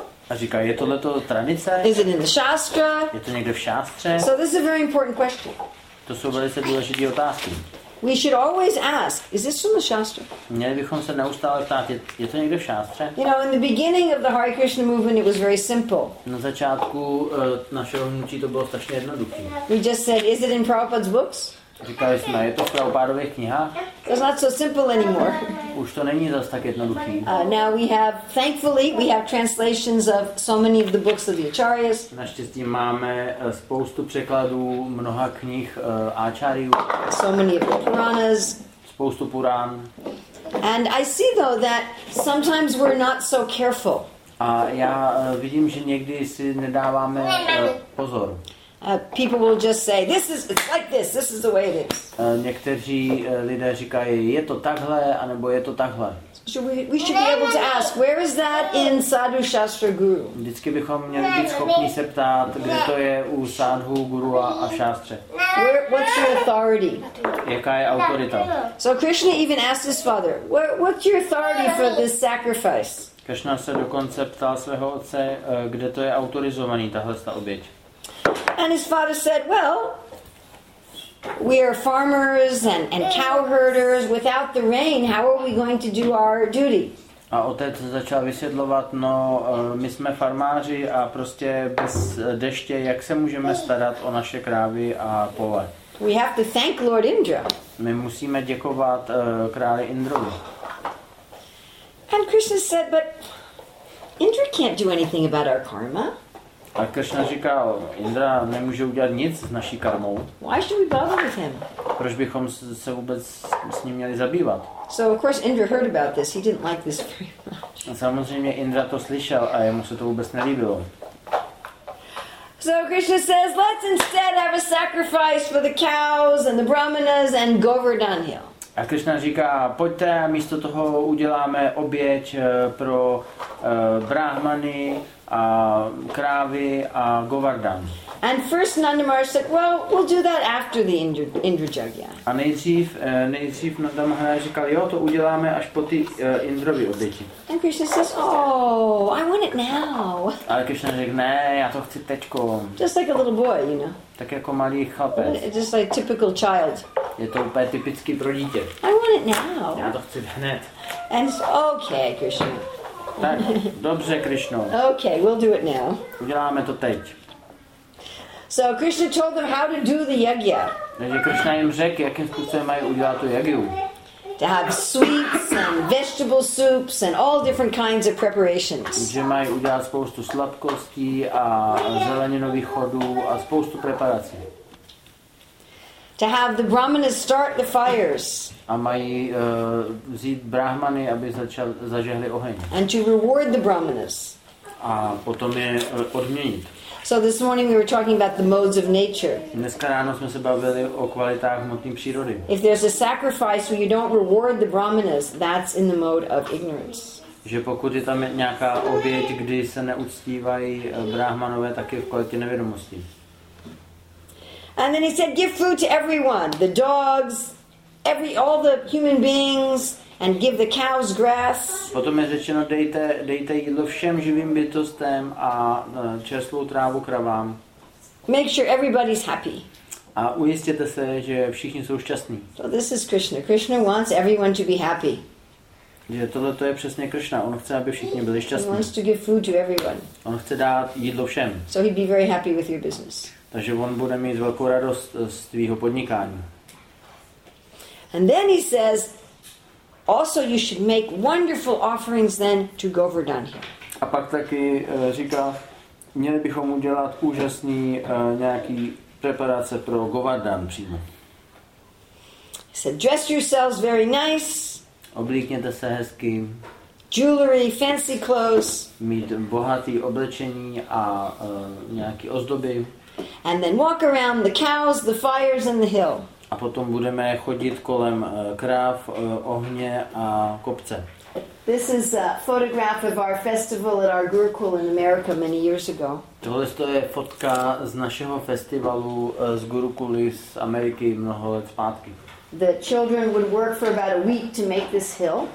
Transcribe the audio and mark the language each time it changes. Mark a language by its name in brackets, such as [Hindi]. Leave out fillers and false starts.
[Czech] A říká, je tohleto tradice? [English] Is it in the Shastra? [Czech] Je to někde v Šástře? [English] So this is a very important question. [Czech] To jsou velice důležité otázky. [English] We should always ask, is this from the Shastra? [Czech] Měli bychom se neustále ptát, je to někde v Šástře? [English] You know, in the beginning of the Hare Krishna movement, it was very simple. [Czech] Na začátku našeho hnutí to bylo strašně jednoduché. [English] We just said, is it in Prabhupada's books? [Czech] Říkali jsme, je to v Prabhupádových knihách? [English] It's not so simple anymore. [Czech] Už to není zas tak jednoduché. [English] Now we have, thankfully, we have translations of so many of the books of the Acharyas. [Czech] Naštěstí máme spoustu překladů mnoha knih Acharyů. [English] So many of the Puranas. [Czech] Spoustu Purán. [English] And I see, though, that sometimes we're not so careful. [Czech] A já vidím, že někdy si nedáváme pozor. [English] People will just say, this is, it's like this, this is the way it is. [Czech] Někteří lidé říkají, je to takhle, anebo je to takhle. [English] We should be able to ask, where is that in Sadhu Shastra Guru? [Czech] Vždycky bychom měli být schopni se ptát, kde to je u Sadhu Guru a Shastře. [English] What's your authority? [Czech] Jaká je autorita? [English] So Krishna even asked his father, what's your authority for this sacrifice? [Czech] Krishna se dokonce ptal svého otce, kde to je autorizovaný, tahle ta oběť. [English] And his father said, well, we are farmers and cowherders. Without the rain, how are we going to do our duty? [Czech] A otec začal vysvětlovat, no, my jsme farmáři a prostě bez deště, jak se můžeme starat o naše krávy a pole? [English] We have to thank Lord Indra. [Czech] My musíme děkovat králi Indrovi. [English] And Krishna said, but Indra can't do anything about our karma. [Czech] A Krishna říkal, Indra nemůže udělat nic s naší karmou. [English] Why should we bother with him? [Czech] Proč bychom se vůbec s ním měli zabývat? [English] So of course Indra heard about this. He didn't like this very much. [Czech] Samozřejmě Indra to slyšel a jemu se to vůbec nelíbilo. [English] So Krishna says, let's instead have a sacrifice for the cows and the brahmanas and Govardhan Hill. [Czech] A Krishna říká, pojďte a místo toho uděláme oběť pro brahmany a krávy a Govardhan. [English] And first Nanda Maharaj said, well, we'll do that after the Indra Jagya. [Czech] A nejdřív Nanda Maharaj říkal, jo, to uděláme až po ty Indrovy oběti. [English] And Krishna says, oh, I want it now. [Czech] A Krishna řekl, ne, já to chci teďko. [English] Just like a little boy, you know. [Czech] Tak jako malý chlapec. [English] Just like a typical child. [Czech] Je to úplně typický pro dítě. [English] I want it now. [Czech] Já to chci hned. [English] And it's okay, Krishna. [Czech] Tak, dobře, Krishno. [English] Okay, we'll do it now. [Czech] Uděláme to teď. [English] So Krishna told them how to do the yagya. [Czech] Takže Krishna jim řekl, jakým způsobem mají udělat tu yagyu. [English] To have sweets and vegetable soups and all different kinds of preparations. [Czech] Že mají udělat spoustu sladkostí a zeleninových chodů a spoustu preparací. [English] To have the brahmanas start the fires. [Czech] A mají vzít brahmany, aby zažehli oheň. [English] And to reward the brahmanas. [Czech] A potom je odměnit. [English] So this morning we were talking about the modes of nature. [Czech] Dneska ráno jsme se bavili o kvalitách hmotné přírody. [English] If there's a sacrifice where you don't reward the brahmanas, that's in the mode of ignorance. [Czech] Že pokud je tam nějaká oběť, kdy se neuctívají brahmanové, tak je v kvalitě nevědomosti. [English] And then he said, give food to everyone, the dogs, all the human beings, and give the cows grass. [Czech] Potom je řečeno, dejte jídlo všem živým bytostem a čerstvou trávu kravám. [English] Make sure everybody's happy. [Czech] A ujistěte se, že všichni jsou šťastní. [English] So this is Krishna. Krishna wants everyone to be happy. [Czech] Že tohleto je přesně Krishna. On chce, aby všichni byli šťastní. [English] He wants to give food to everyone. [Czech] On chce dát jídlo všem. [English] So he'd be very happy with your business. [Czech] Takže on bude mít velkou radost z tvýho podnikání. [English] And then he says, also you should make wonderful offerings then to Govardhan. [Czech] A pak taky říká, měli bychom udělat úžasný nějaký preparace pro Govardhan přímo. [English] He said, dress yourselves very nice. [Czech] Oblíkněte se hezky. [English] Jewelry, fancy clothes. [Czech] Mít bohatý oblečení a nějaký ozdoby. [English] And then walk around the cows, the fires and the hill. [Czech] A potom budeme chodit kolem kráv, ohně a kopce. [English] This is a photograph of our festival at our Gurukul in America many years ago. [Czech] Tohle je fotka z našeho festivalu z Gurukuly z Ameriky mnoho let zpátky. [English] The children would work for about a week to make this hill.